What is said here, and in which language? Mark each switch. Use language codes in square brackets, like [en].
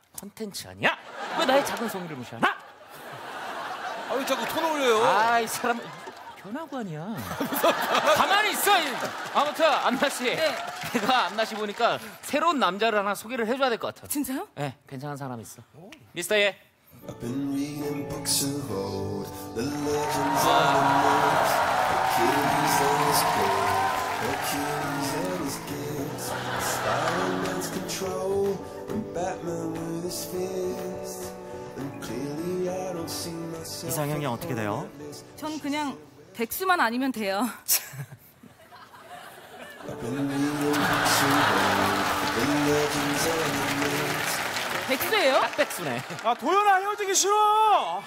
[ko] 콘텐츠 아니야? 왜 나의 작은 소리를 무시하나? 아 왜 자꾸 톤 올려요? 아 이 사람 변화관이야. 가만히 있어. 아무튼 안나씨 네. 내가 안나씨 보니까 새로운 남자를 하나 소개를 해줘야 될 것 같아. 진짜요? 네 괜찮은 사람 있어. 오. [en] 미스터 예 I've been reading books of old The legends of the world Achilles and his gold Achilles and his gifts Spider Man's control Batman with his fist And clearly I don't see myself [ko] 이상형이 어떻게 돼요? 전 그냥 백수만 아니면 돼요. 백수예요? 딱 백수네. 아 도현아 헤어지기 싫어.